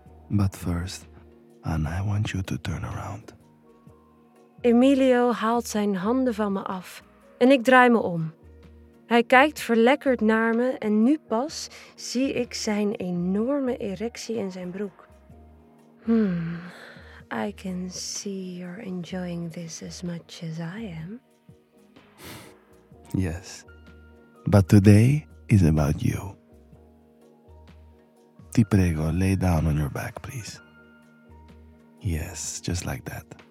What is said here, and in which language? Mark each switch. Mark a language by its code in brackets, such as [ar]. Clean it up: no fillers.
[en] But first, Anna, I want you to turn around. [nl] Emilio haalt zijn handen van me af en ik draai me om. Hij kijkt verlekkerd naar me en nu pas zie ik zijn enorme erectie in zijn broek. [en] I can see you're enjoying this as much as I am. Yes, but today is about you. [it] Ti prego, [en] lay down on your back, please. Yes, just like that.